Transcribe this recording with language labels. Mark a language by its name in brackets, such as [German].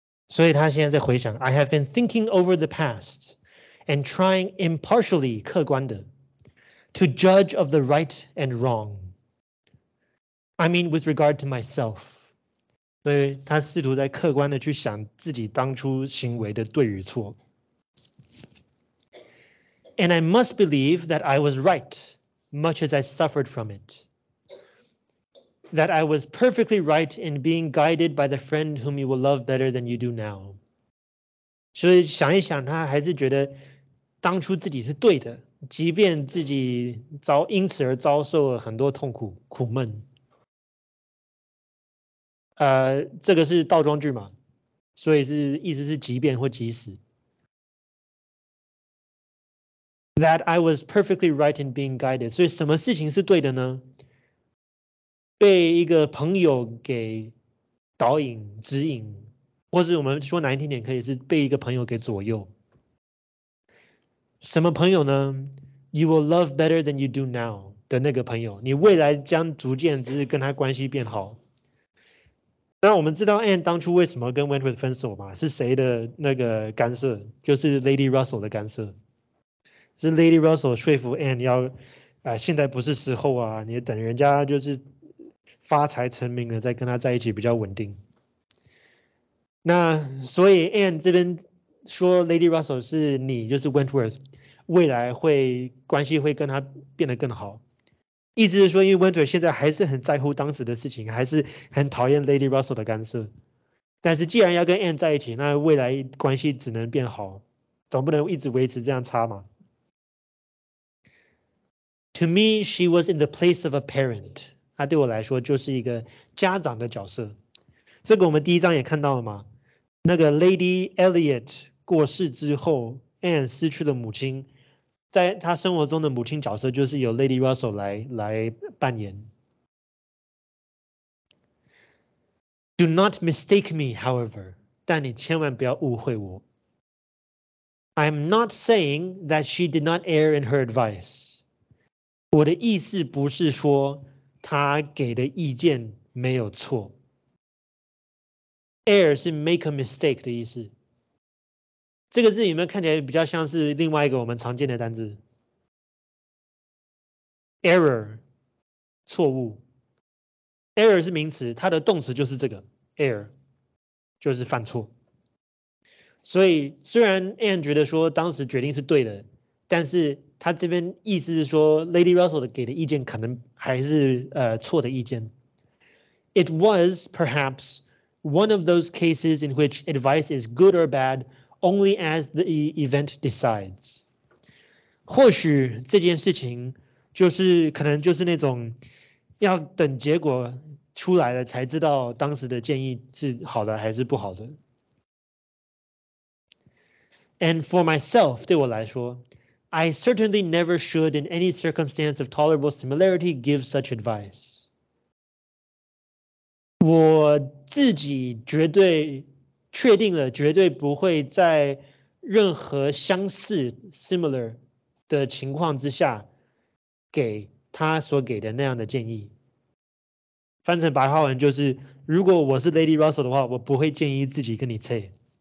[Chinese] 所以他现在在回想 [English] ，I have been thinking over the past and trying impartially [Chinese] 客观的 [English] to judge of the right and wrong。 I mean, with regard to myself. [Chinese] 所以他试图在客观的去想自己当初行为的对与错。 [English] And I must believe that I was right, much as I suffered from it. That I was perfectly right in being guided by the friend whom you will love better than you do now. [Chinese] 所以想一想，他还是觉得当初自己是对的，即便自己因此而遭受了很多痛苦、苦闷。这个是倒装句嘛，所以是意思是即便或即使。 That I was perfectly right in being guided. 所以什么事情是对的呢？被一个朋友给导引、指引，或是我们说难听点，可以是被一个朋友给左右。什么朋友呢 ？ [English] You will love better than you do now [Chinese] 的那个朋友，你未来将逐渐只是跟他关系变好。那我们知道 Anne 当初为什么跟 Wentworth 分手嘛？是谁的那个干涉？就是 Lady Russell 的干涉，是 Lady Russell 说服 Anne 要，现在不是时候啊，你等人家就是发财成名了再跟他在一起比较稳定。那所以 Anne 这边说 Lady Russell 是你，就是 Wentworth， 未来会关系会跟他变得更好。意思是说，因为 Wentworth 现在还是很在乎当时的事情，还是很讨厌 Lady Russell 的干涉。但是既然要跟 Anne 在一起，那未来关系只能变好，总不能一直维持这样差嘛。 [English] To me, she was in the place of a parent. [Chinese] 她对我来说就是一个家长的角色。这个我们第一章也看到了嘛。那个 Lady Elliot 过世之后 ，Anne 失去了母亲。在他生活中的母亲角色就是由 Lady Russell 来扮演。 [English] Do not mistake me, however. [Chinese] 但你千万不要误会我。 [English] I'm not saying that she did not err in her advice. [Chinese] 我的意思不是说她给的意见没有错。 Err 是 [English] make a mistake [Chinese] 的意思。这个字有没有看起来比较像是另外一个我们常见的单字 ？error， 错误。 error 是名词，它的动词就是这个 error， 就是犯错。所以虽然 Anne 觉得说当时决定是对的，但是他这边意思是说 Lady Russell 给的意见可能还是错的意见。 [English] It was perhaps one of those cases in which advice is good or bad。 Only as the event decides. [Chinese] 或许这件事情就是可能就是那种要等结果出来了才知道当时的建议是好的还是不好的。 [English] And for myself, [Chinese] 对我来说 [English] I certainly never should in any circumstance of tolerable similarity give such advice. [Chinese] 我自己绝对确定了绝对不会在任何相似 similar 的情况之下给他所给的那样的建议。翻成白话文就是，如果我是 Lady Russell 的话，我不会建议自己跟你切。